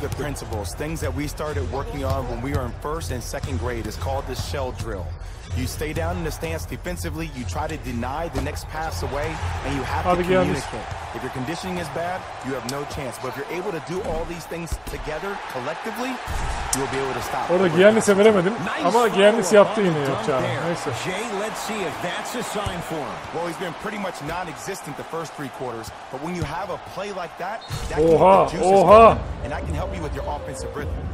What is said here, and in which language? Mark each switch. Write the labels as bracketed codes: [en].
[en] The principles, things that we started working on when we were in first and second grade is called the shell drill. You stay down in the stance defensively, you try to deny the next pass away, and you have to communicate. If your conditioning is bad, you have no chance. But if you're able to do all these things together, collectively, you'll be able to stop. [tr] Orada Giannis'e veremedim ama Giannis yaptı yine yapacağını. Neyse. [en] Jay, let's see if that's a sign for him. Well, he's been pretty much non-existent the first three quarters, but when you have a play like that, oha. And I can help you with your offensive rhythm.